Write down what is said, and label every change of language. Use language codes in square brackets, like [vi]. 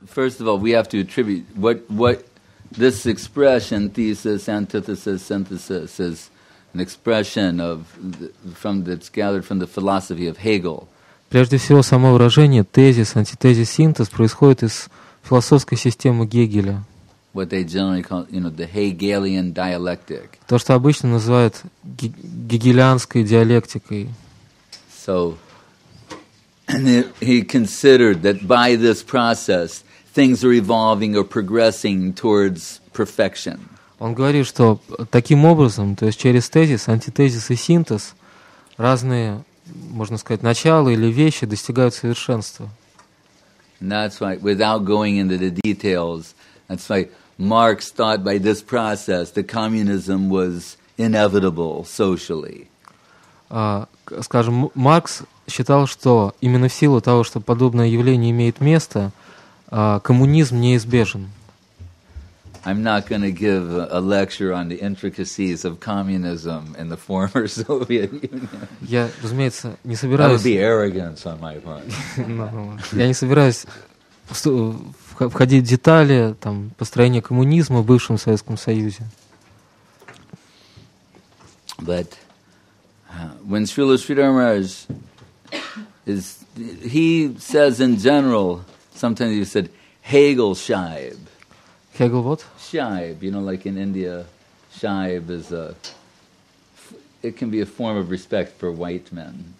[en] first of all, we have to attribute what this expression, thesis, antithesis, synthesis, is an expression of that's gathered from the philosophy of Hegel. [ru] Прежде всего, само выражение тезис, антитезис, синтез происходит из философской системы Гегеля. [en] What they generally call, you know, the Hegelian dialectic. [ru] То, что обычно называют гегелианской диалектикой. [en] So, and he considered that by this process things are evolving or progressing towards perfection. [ru] Он говорит, что таким образом, то есть через тезис, антитезис и синтез, разные, можно сказать, начала или вещи достигают совершенства. [en] And that's why, without going into the details, that's why Marx thought by this process the communism was inevitable socially. [ru] Скажем, Маркс считал, что именно в силу того, что подобное явление имеет место, коммунизм неизбежен. [en] I'm not going to give a lecture on the intricacies of communism in the former Soviet Union. [ru] Я, разумеется, не собираюсь. [en] That would be arrogance on my part. [ru] Я не собираюсь входить в детали там построения коммунизма в бывшем Советском Союзе. [en] But when Srila Sridhar Maharaj is, he says in general, sometimes he said Hegel Shaib. Hegel what? Shaib, you know, like in India, Shaib is a, it can be a form of respect for white men.